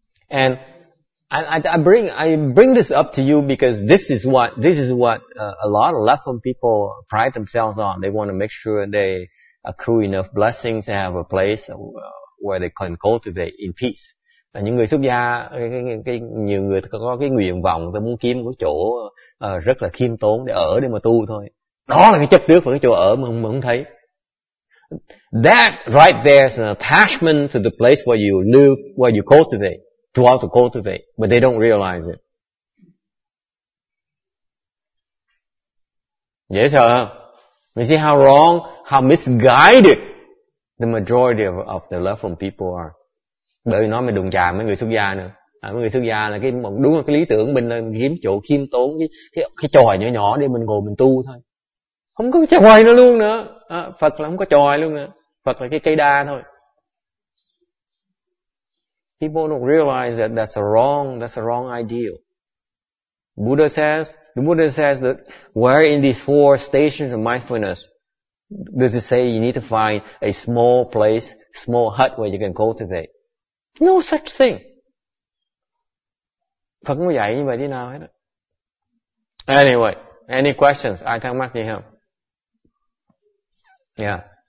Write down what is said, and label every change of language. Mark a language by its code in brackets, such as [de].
[en] And I bring this up to you because this is what a lot of left-home people pride themselves on. They want to make sure they accrue enough blessings and have a place where they can cultivate in peace. [vi] Là những người xuất gia, nhiều người có cái nguyện vọng, ta muốn kiếm cái chỗ rất là khiêm tốn để ở để mà tu thôi. Đó là cái chấp trước vào cái chỗ ở mà không thấy. [en] That right there is an attachment to the place where you live, where you cultivate. To how to cultivate, but they don't realize it. Yes, sir. You see how wrong, how misguided the majority of the left-wing people are. [vi] Bởi nó mới đụng chạm mấy người xuất gia nữa. À, mấy người xuất gia là đúng là cái lý tưởng mình là kiếm chỗ khiêm tốn cái chòi nhỏ nhỏ để mình ngồi mình tu thôi. Không có cái chòi nữa luôn nữa. À, Phật là không có chòi luôn nữa. Phật là cái cây đa thôi. [en] People don't realize that that's a wrong ideal. The Buddha says that where in these four stations of mindfulness does it say you need to find a small place, small hut where you can cultivate? No such thing. [vi] Phật không dạy như vậy thế nào hết. [en] Anyway, Any questions? [vi] Ai thắc mắc gì không? [en] Yeah.